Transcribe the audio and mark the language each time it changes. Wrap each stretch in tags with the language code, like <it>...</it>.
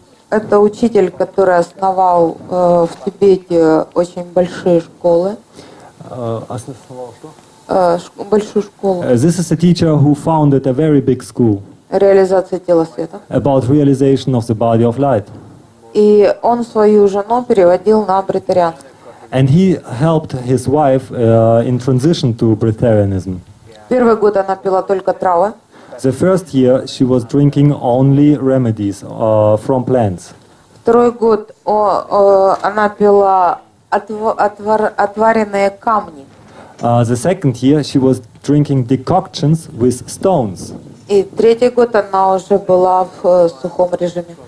<ru>Это учитель, который основал в Тибете очень большие школы. Большую школу.</ru> <en>This is a teacher who founded a very big school.</en> <ru>Реализация тела света.</ru> <en>About realization of the body of light.</en> <ru>И он свою жену переводил на бритарианство.</ru> <en>And he helped his wife in transition to бритарианизм.</en> <ru>Первый год она пила только травы.</ru> <en>The first year she was drinking only remedies from plants.</en> <ru>Второй год она пила отваренные камни.</ru> <en>The second year she was drinking decoctions with stones.</en> <ru>И третий год она уже была в сухом режиме.</ru>